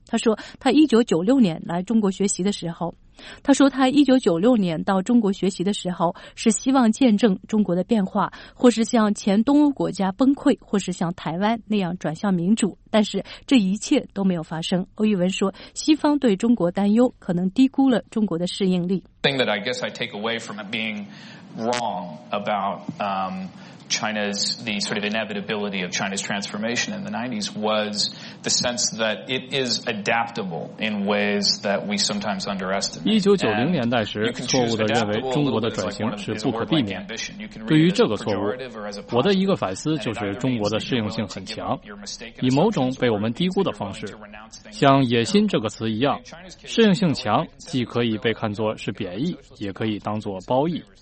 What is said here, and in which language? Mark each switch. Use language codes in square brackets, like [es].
[zh] 他说他1996年来中国学习的时候，他说他1996年到中国学习的时候是希望见证中国的变化，或是像前东欧国家崩溃，或是像台湾那样转向民主，但是这一切都没有发生。欧逸文说，西方对中国担忧可能低估了中国的适应力。 [en] The thing that I guess I take away from being wrong about China's the sort of inevitability of China's transformation in the 90s was the sense that it is adaptable in ways that we sometimes underestimate. [zh] 1990年代时，错误地认为中国的转型是不可避免。对于这个错误，我的一个反思就是中国的适应性很强，以某种被我们低估的方式，像野心这个词一样，适应性强既可以被看作是贬义，也可以当作褒义。